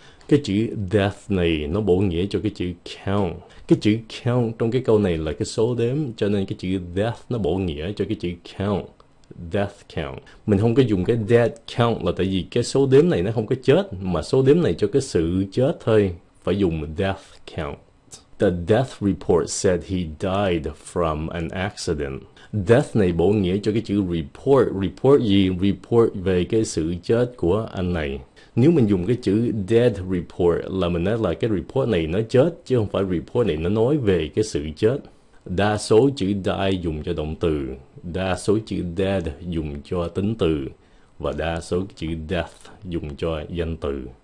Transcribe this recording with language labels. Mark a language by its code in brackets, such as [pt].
[vi] Cái chữ death này nó bổ nghĩa cho cái chữ count. Cái chữ count trong cái câu này là cái số đếm, cho nên cái chữ death nó bổ nghĩa cho cái chữ count. Death count. Mình không có dùng cái death count là tại vì cái số đếm này nó không có chết, mà số đếm này cho cái sự chết thôi. Phải dùng death count. [en] The death report said he died from an accident. [vi] Death này bổ nghĩa cho cái chữ report. Report gì? Report về cái sự chết của anh này. Nếu mình dùng cái chữ dead report là mình nói là cái report này nó chết chứ không phải report này nó nói về cái sự chết. Đa số chữ die dùng cho động từ, đa số chữ dead dùng cho tính từ, và đa số chữ death dùng cho danh từ.